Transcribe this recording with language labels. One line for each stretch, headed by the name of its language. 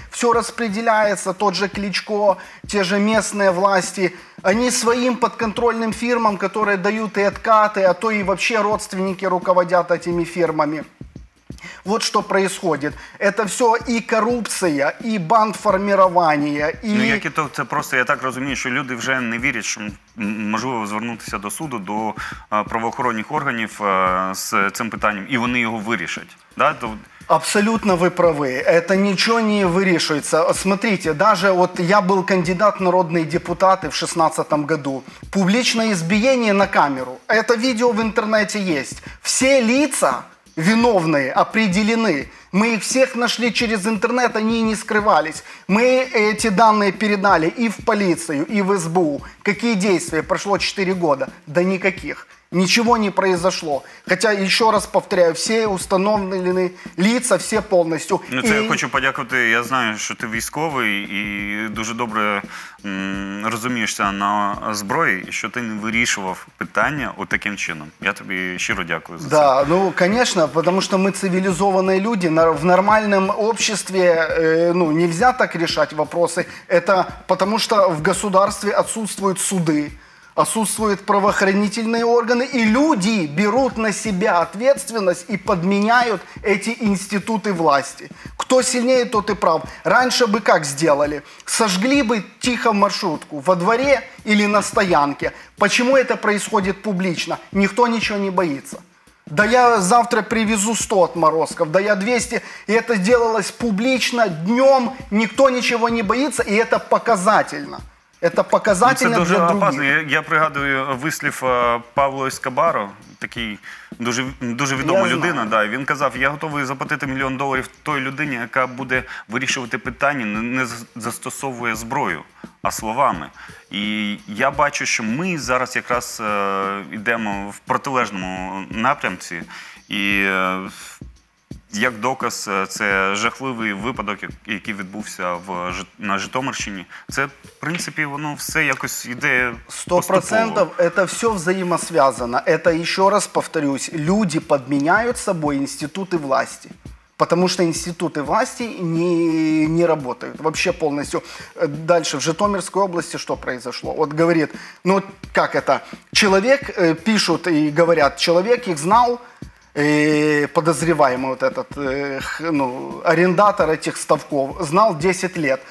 Russian: Все распределяется, тот же Кличко, те же местные власти. Они своим подконтрольным фирмам, которые дают и откаты, а то и вообще родственники руководят этими фирмами. Вот что происходит. Это все и коррупция, и бандформирование, и...
Ukrainian: Ну, як і то, це просто, я так розумію, що люди вже не вірять, що можливо звернутися до суду, до правоохоронних органів з цим питанням, і вони його вирішать.
Russian: Да? То... Абсолютно вы правы. Это ничего не вырешивается. Смотрите, даже вот я был кандидат в народные депутаты в 2016 году. Публичное избиение на камеру. Это видео в интернете есть. Все лица... виновные, определены. Мы их всех нашли через интернет, они не скрывались. Мы эти данные передали и в полицию, и в СБУ. Какие действия? Прошло 4 года. Да никаких. Ничего не произошло. Хотя, еще раз повторяю, все установлены лица, все полностью. Ну, это я хочу подякувати.
Ukrainian: Я знаю,
Russian: что ты
Ukrainian: військовий и дуже добре розумієшся на зброї, що ти не вирішував питання от таким чином. Я тобі щиро дякую за це.
Russian: Да, ну, конечно, потому что мы цивилизованные люди. В нормальном обществе ну, нельзя так решать вопросы. Это потому что в государстве отсутствуют суды. Отсутствуют правоохранительные органы, и люди берут на себя ответственность и подменяют эти институты власти. Кто сильнее, тот и прав. Раньше бы как сделали? Сожгли бы тихо маршрутку во дворе или на стоянке. Почему это происходит публично? Никто ничего не боится. Да я завтра привезу 100 отморозков, да я 200. И это делалось публично, днем, никто ничего не боится, и это показательно. Это показательно для других.
Ukrainian: Це дуже опасно. Я пригадую вислів Павло Ескобаро, такий дуже, дуже відома людина. Да, він казав, я готовий заплатити мільйон доларів той людині, яка буде вирішувати питання, не застосовує зброю, а словами. І я бачу, що ми зараз якраз йдемо в протилежному напрямці. І Як доказ, це жахливий випадок, який відбувся на Житомирщині. Це, в принципі, воно все якось йде поступово. 100% це все взаємозв'язано. Це, ще раз повторюсь, люди підміняють собою інститути влади.
Russian: Потому что институты власти не работают вообще полностью. Дальше, в Житомирской области что произошло? Вот говорит, ну как это, человек, пишут и говорят, человек их знал, подозреваемый вот этот, ну, арендатор этих ставков, знал 10 лет.